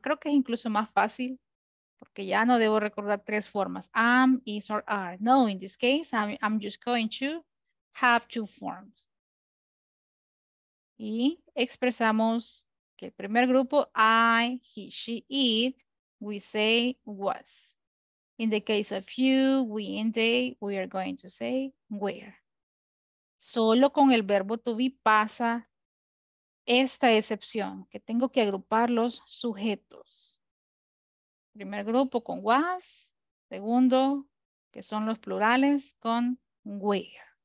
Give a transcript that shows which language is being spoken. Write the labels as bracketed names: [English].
[Spanish] Creo que es incluso más fácil porque ya no debo recordar tres formas. [English] Am, is, or are. No, in this case, I'm just going to have two forms. [Spanish] Y expresamos que el primer grupo, [English] I, he, she, it, we say was. In the case of you, we, and they, we are going to say were. [Spanish] Solo con el verbo to be pasa esta excepción, que tengo que agrupar los sujetos. Primer grupo con was, segundo, que son los plurales, con were.